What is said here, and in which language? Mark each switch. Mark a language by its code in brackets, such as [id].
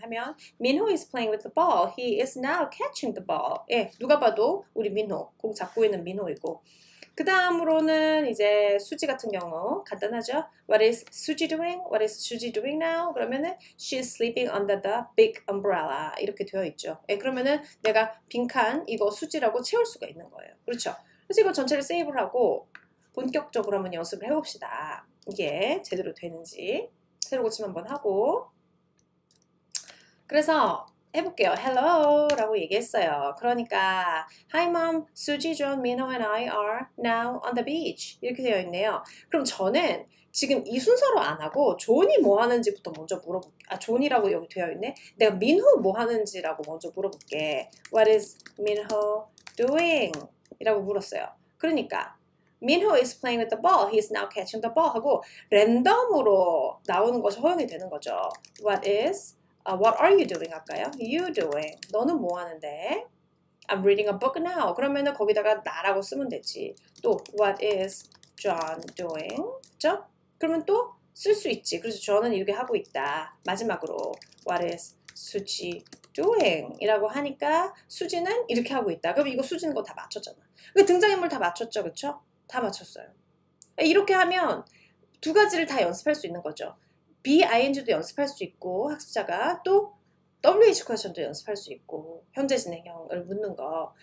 [en] 하면, Minho is playing with the ball. He is now catching the ball. [ko] 예, 누가 봐도 우리 민호. 공 잡고 있는 민호이고. 그 다음으로는 이제 수지 같은 경우. 간단하죠? [en] What is Suji doing? What is Suji doing now? 그러면은, she is sleeping under the big umbrella. [ko] 이렇게 되어 있죠. 예, 그러면은 내가 빈칸 이거 수지라고 채울 수가 있는 거예요. 그렇죠? 그래서 이거 전체를 세이브를 하고, 본격적으로 한번 연습을 해봅시다. 이게 제대로 되는지 새로 고침 한번 하고 그래서 해볼게요. Hello 라고 얘기했어요. [en] 그러니까 Hi Mom, Suji, John, Minho and I are now on the beach [ko] 이렇게 되어 있네요. 그럼 저는 지금 이 순서로 안 하고 존이 뭐 하는지부터 먼저 물어볼게요. 아, 존이라고 여기 되어 있네. 내가 민호 뭐 하는지라고 먼저 물어볼게. [en] What is Minho doing? [ko] 이라고 물었어요. 그러니까 [en] 민호 is playing with the ball. He is now catching the ball. [ko] 하고 랜덤으로 나오는 것이 허용이 되는 거죠. [en] What is? What are you doing? 할까요? You doing? [ko] 너는 뭐 하는데? [en] I'm reading a book now. [ko] 그러면 거기다가 나라고 쓰면 되지. [en] 또 What is John doing? [ko] 그렇죠? 그러면 또 쓸 수 있지. 그래서 저는 이렇게 하고 있다. [en] 마지막으로 What is 수지 doing? [ko] 이라고 하니까 수지는 이렇게 하고 있다. 그럼 이거 수지는 거 다 맞췄잖아. 그러니까 등장인물 다 맞췄죠. 그렇죠? 다 맞췄어요. 이렇게 하면 두 가지를 다 연습할 수 있는 거죠. BING도 연습할 수 있고 학습자가 또 WH 퀘션도 연습할 수 있고 현재 진행형을 묻는 거.